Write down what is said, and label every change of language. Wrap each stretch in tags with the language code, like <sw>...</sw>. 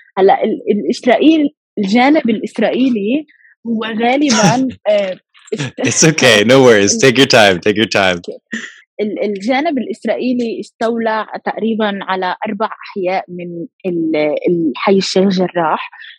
<ar>هلا الإسرائيل الجانب الإسرائيلي هو غالباً</ar> <en>It's okay, no worries, take your time, take your time.</en> <ar>الجانب الإسرائيلي استولى تقريباً على 4 أحياء من الحي الشيخ جراح.</ar>